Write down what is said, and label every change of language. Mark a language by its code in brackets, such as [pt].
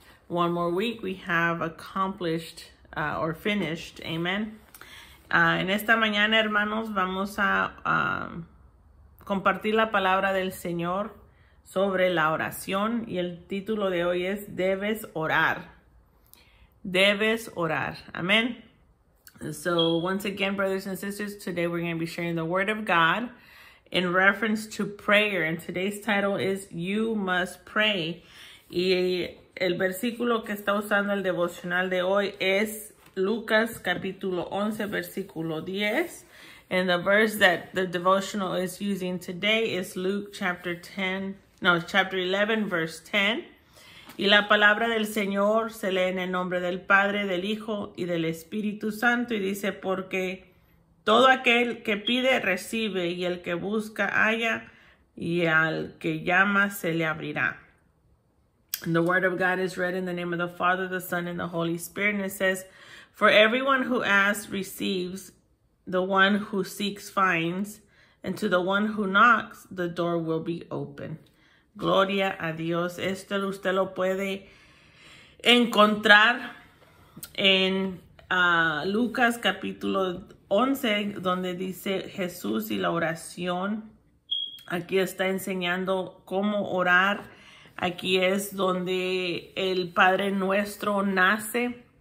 [en] One more week, we have accomplished or finished, amen. [es] En esta mañana, hermanos, vamos a compartir la palabra del Señor sobre la oración, y el título de hoy es Debes Orar. Debes Orar. Amen. [en] So, once again, brothers and sisters, today we're going to be sharing the Word of God in reference to prayer. And today's title is You Must Pray. [es] Y el versículo que está usando el devocional de hoy es Lucas capítulo 11, versículo 10. [en] And the verse that the devotional is using today is Luke chapter 10. No, chapter 11, verse 10. [es] Y la palabra del Señor se lee en el nombre del Padre, del Hijo y del Espíritu Santo. Y dice, porque todo aquel que pide, recibe, y el que busca, halla, y al que llama, se le abrirá. [en] And the word of God is read in the name of the Father, the Son, and the Holy Spirit. And it says, for everyone who asks, receives, the one who seeks, finds, and to the one who knocks, the door will be opened. [es] Gloria a Dios. Esto usted lo puede encontrar en Lucas capítulo 11, donde dice Jesús y la oración. Aquí está enseñando cómo orar. Aquí es donde el Padre Nuestro nace.